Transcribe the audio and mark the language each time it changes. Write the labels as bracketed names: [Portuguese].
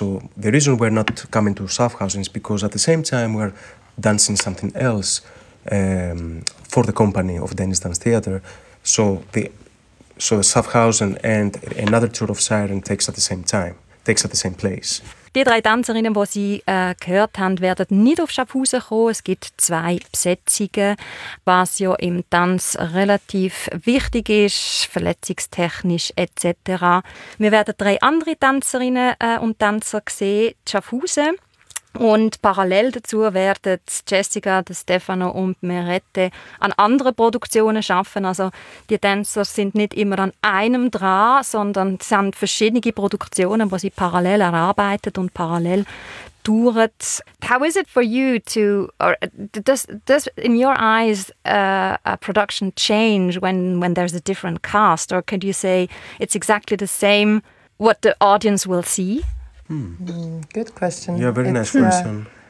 [English] So the reason we're not coming to Schaffhausen is because at the same time we're dancing something else for the company of Dennis Dance Theatre. So Schaffhausen and another tour of Siren takes at the same place. [German] Die drei Tänzerinnen, die Sie gehört haben, werden nicht auf Schaffhausen kommen. Es gibt zwei Besetzungen, was ja im Tanz relativ wichtig ist, verletzungstechnisch etc. Wir werden drei andere Tänzerinnen und Tänzer sehen, Schaffhausen. Und parallel dazu werden Jessica, Stefano und Merette an anderen Produktionen arbeiten. Also die Tänzer sind nicht immer an einem dran, sondern es sind verschiedene Produktionen, die sie parallel erarbeiten und parallel touren. [English] How is it for you to, or does in your eyes a production change when there's a different cast? Or could you say it's exactly the same what the audience will see? Good question. Yeah, very nice question.